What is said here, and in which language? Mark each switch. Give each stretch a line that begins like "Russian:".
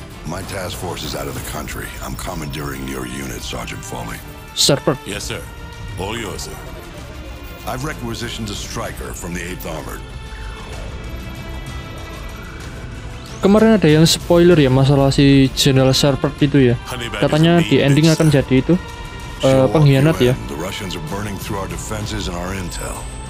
English: My task force is out of the country. I'm commandeering your unit, Sergeant Foley. Serper. Yes, sir. All yours, sir. I've requisitioned a striker from the 8th Armored.
Indonesian: Kemarin ada yang spoiler ya masalah si General Serper itu ya. Katanya di ending akan jadi itu. Pengkhianat ya.
English: The Russians are burning through our defenses and our intel.